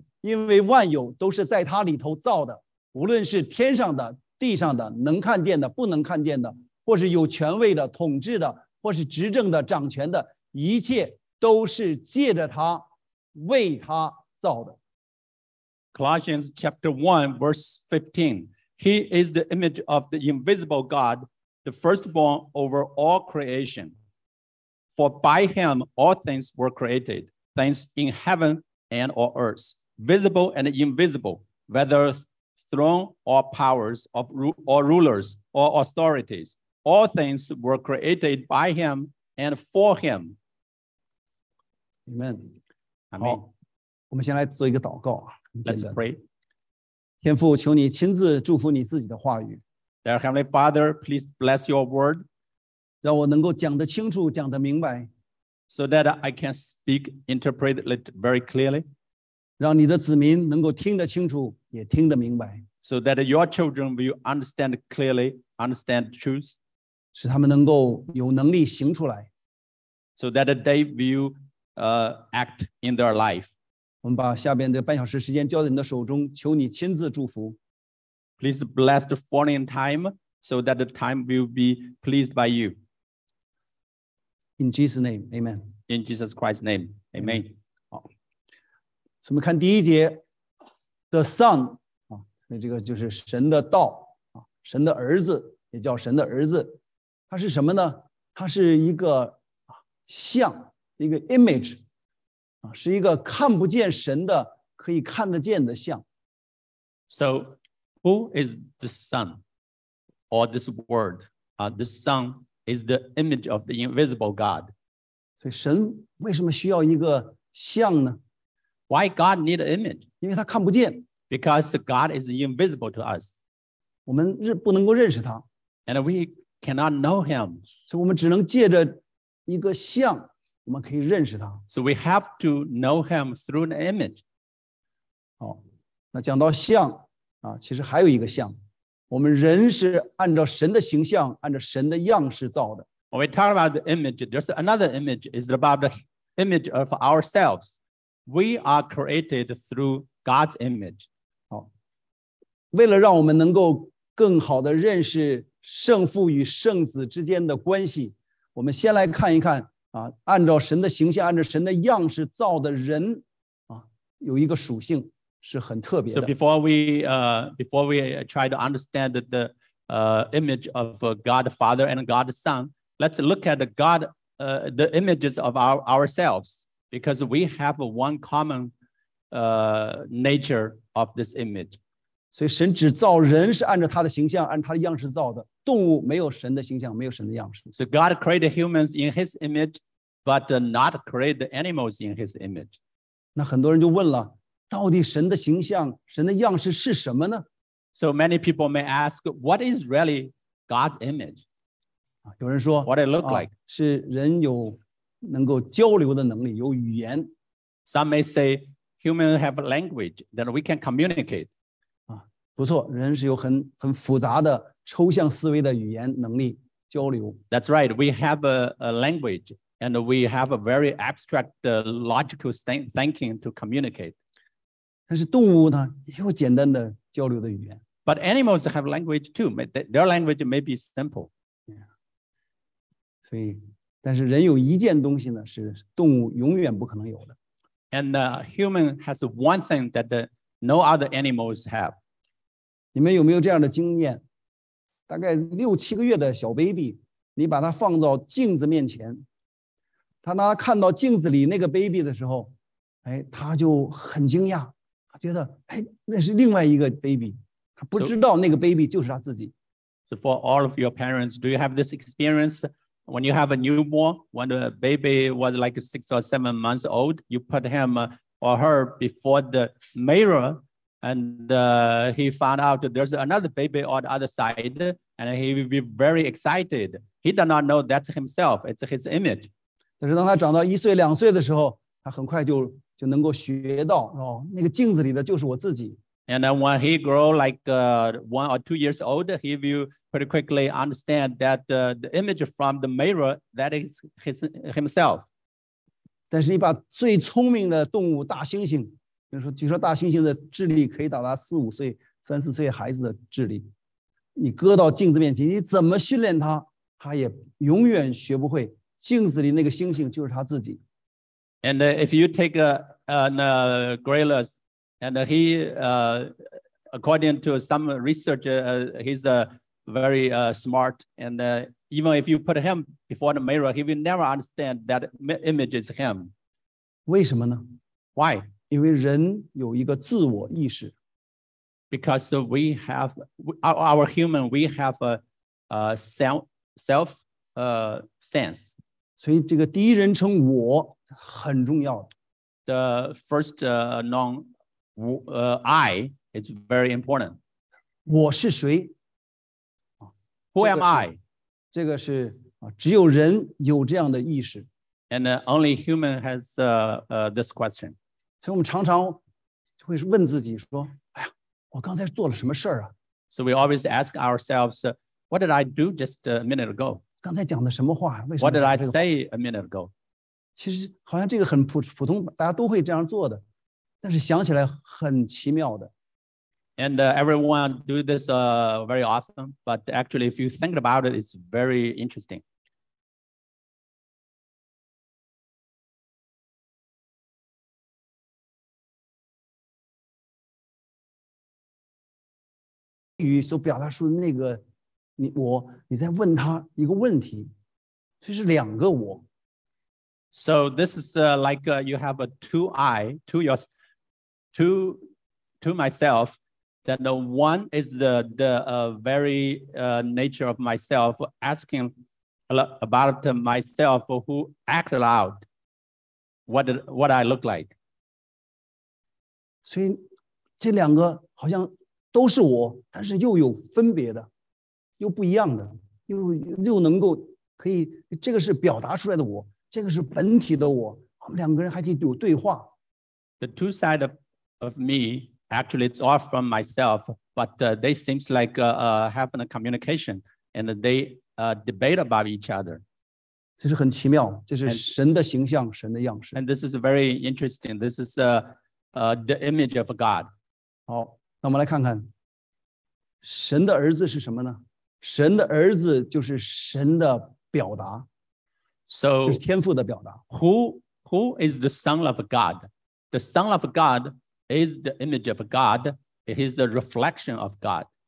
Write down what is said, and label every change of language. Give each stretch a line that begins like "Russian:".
Chinese: 因为万有都是在他里头造的，无论是天上的、地上的，能看见的、不能看见的，或是有权位的、统治的，或是执政的、掌权的，一切都是借着他、为他造的。
English: Colossians chapter 1, verse 15. He is the image of the invisible God, the firstborn over all creation. For by him all things were created, things in heaven and on earth. Visible and invisible, whether throne or powers of or rulers or authorities, all things were created by him and for him. Amen. Amen.
Chinese: 我们先来做一个祷告。
English: Let's pray.
Chinese: 天父，求你亲自祝福你自己的话语。
English: Dear Heavenly Father, please bless your word.
Chinese: 让我能够讲得清楚，讲得明白。
English: So that I can speak, interpret it very clearly.
Chinese: 让你的子民能够听得清楚，也听得明白。
English: So that your children will understand clearly, understand the truth.
Chinese: 使他们能够有能力行出来。
English: So that they will act in their life.
Chinese: 我们把下边的半小时时间交在你的手中，求你亲自祝福。
English: Please bless the following time, so that the time will be pleased by you. In Jesus' name, amen. In Jesus Christ's name, amen. Amen.
Chinese: 所以我们看第一节
English: The Son、
Chinese: 这个就是神的道、神的儿子也叫神的儿子，它是什么呢？它是一个像，一个 image、是一个看不见神的可以看得见的像。
English: So who is the Son or this word、the Son is the image of the invisible God.
Chinese: 所以神为什么需要一个像呢？
English: Why God need an image?
Chinese: 因为他看不见。
English: Because God is invisible to us.
Chinese: 我们不能够认识他。
English: And we cannot know him.
Chinese: 所以我们只能借着一个像，我们可以认识他。
English: So we have to know him through an image.
Chinese: 好，那讲到像，其实还有一个像。我们人是按照神的形象，按照神的样式造的。
English: When we talk about the image, there's another image. It's about image of ourselves. We are created through God's image.
Chinese: 好，为了让我们能够更好的认识圣父与圣子之间的关系，我们先来看一看啊，按照神的形象，按照神的样式造的人啊，有一个属性是很特别的。
English: So before we try to understand the image of God the Father and God the Son, let's look at God the images of ourselves because we have one common nature of this image.
Chinese: 所以神只造人是按照他的形象，按他的样式造的。动物没有神的形象，没有神的样式。
English: So God created humans in His image, but not create the animals in His image.
Chinese: 那很多人就问了，到底神的形象、神的样式是什么呢？
English: So many people may ask, what is really God's image?
Chinese: 有人说
English: ，What it look like
Chinese: 是人有能够交流的能力，有语言。
English: Some may say humans have a language that we can communicate.
Chinese: 不错，人是有很复杂的。抽象思维的语言能力交流。
English: That's right. We have a language, and we have a very abstract logical thinking to communicate. 但是动物呢，也有简单的交流的语言。 But animals have language too. Their language may be simple. Yeah.
Chinese: 所以，但是人有一件东西呢，是动物永远不可能有的。
English: And human has one thing that no other animals have.
Chinese: 你们有没有这样的经验？大概六七个月的小 baby， 你把它放到镜子面前，他看到镜子里那个 baby 的时候，哎，他就很惊讶，他觉得哎，那是另外一个 baby， 他不知道那个 baby 就是他自己。
English: So for all of your parents, do you have this experience when you have a newborn? When the baby was like 6 or 7 months old, you put him or her before the mirror. And he found out that there's another baby on the other side, and he will be very excited. He does not know that's himself; it's his image.
Chinese: 但是当他长到一岁两岁的时候，他很快就能够学到哦，那个镜子里的就是我自己。
English: And then when he grow like one or two years old, he will pretty quickly understand that the image from the mirror that is himself.
Chinese: 但是你把最聪明的动物大猩猩。据说大猩猩的智力可以达到3-4岁孩子的智力。你搁到镜子面前，你怎么训练他，他也永远学不会。镜子里那个猩猩就是他自己。
English: And if you take a gorillas, and he, according to some research, he's very smart. And even if you put him before the mirror, he will never understand that image is him.
Chinese: 为什么呢
English: ？Why?
Chinese: 因为人有一个自我意识
English: ，because we have our human, we have a self sense.
Chinese: 所以这个第一人称我很重要。
English: The first noun, I, is very important.
Chinese: 我是谁
English: ？Who am I?
Chinese: 这个是只有人有这样的意识。
English: And only human has this question.
Chinese: 所以我们常常会问自己说：“哎呀，我刚才做了什么事儿啊
English: ？”So we always ask ourselves, "What did I do just a minute ago?"
Chinese: 刚才讲的什么话？为什么
English: ？What did I say a minute ago?
Chinese: 其实好像这个很普通，大家都会这样做的，但是想起来很奇妙的。
English: And everyone do this very often, but actually, if you think about it, it's very interesting.
Chinese: 语所表达出的那个你在问他一个问题，这是两个我。
English: So this is like you have a two I, two myself. That the one is the very nature of myself asking about myself, who act out, what I look like.
Chinese: 所以这两个好像。都是我，但是又有分别的，又不一样的，又能够可以，这个是表达出来的我，这个是本体的我，我们两个人还可以有对话。
English: The two sides of me, actually it's all from myself, but they seems like having a communication, and they debate about each other.
Chinese: 这是很奇妙，这是神的形象，神的样式。
English: And this is very interesting. This is the image of God.
Chinese: 好，那我们来看看，神的儿子是什么呢？神的儿子就是神的表达。
English: So,
Chinese: 就是天父的表达。
English: Who is the Son of God? The Son of God is the image of God. It is the reflection of God.